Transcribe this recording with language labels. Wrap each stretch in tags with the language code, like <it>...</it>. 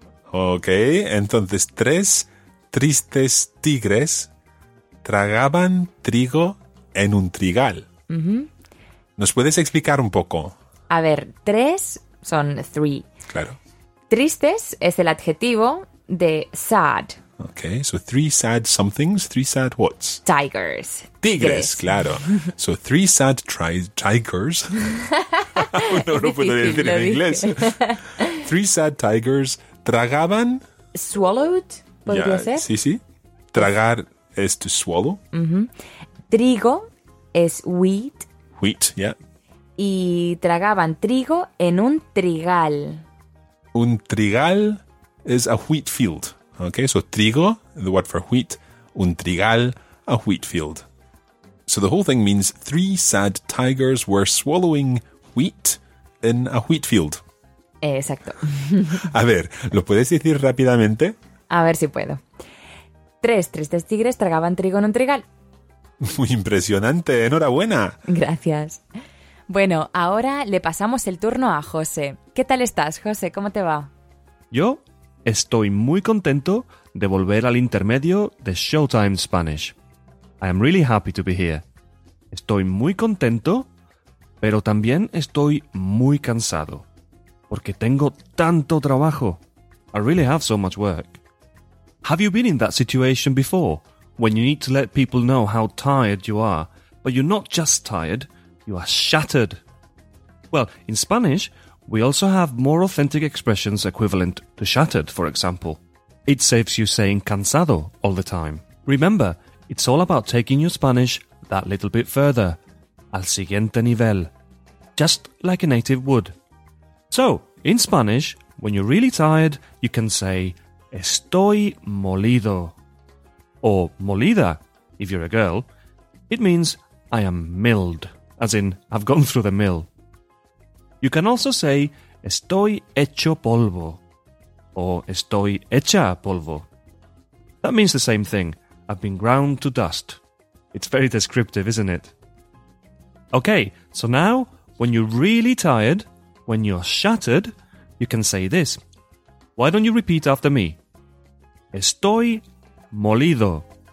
<es>Ok, entonces tres tristes tigres tragaban trigo en un trigal. Uh-huh. ¿Nos puedes explicar un poco? A ver, tres son three. Claro. Tristes es el adjetivo de sad.</es> <en>Okay, so three sad somethings, three sad whats? Tigers.</en> <es>Tigres, claro.</es> <en>So three sad tigers.</en> <es>No lo puedo decir en inglés.</es> <en>Three sad tigers tragaban.</en> <es>Swallowed, podría ser. Sí, sí. Tragar es to swallow. Mm-hmm. Trigo es wheat.</es> <en>Wheat, yeah.</en> <es>Y tragaban trigo en un trigal.</es> <en>Un trigal is a wheat field. Okay, so trigo, the word for wheat, un trigal, a wheat field. So the whole thing means three sad tigers were swallowing wheat in a wheat field.</en> <es>Exacto. A ver, ¿lo puedes decir rápidamente? A ver si puedo. Tres tristes tigres tragaban trigo en un trigal. Muy impresionante, enhorabuena. Gracias. Bueno, ahora le pasamos el turno a José. ¿Qué tal estás, José? ¿Cómo te va? ¿Yo? Estoy muy contento de volver al intermedio de Showtime Spanish.</es> <en>I am really happy to be here.</en> <es>Estoy muy contento, pero también estoy muy cansado, porque tengo tanto trabajo.</es> <en>I really have so much work. Have you been in that situation before, when you need to let people know how tired you are, but you're not just tired, you are shattered? Well, in Spanish, We also have more authentic expressions equivalent to shattered, for example. It saves you saying cansado all the time. Remember, it's all about taking your Spanish that little bit further,</en> <es>al siguiente nivel,</es> <en>just like a native would. So, in Spanish, when you're really tired, you can say</en> <es>estoy molido,</es> <en>or molida, if you're a girl. It means I am milled, as in I've gone through the mill. You can also say</en> <es>estoy hecho polvo,</es> <en>or</en> <es>estoy hecha polvo.</es> <en>That means the same thing, I've been ground to dust. It's very descriptive, isn't it? Okay, so now, when you're really tired, when you're shattered, you can say this. Why don't you repeat after me?</en> <es>Estoy molido.</es>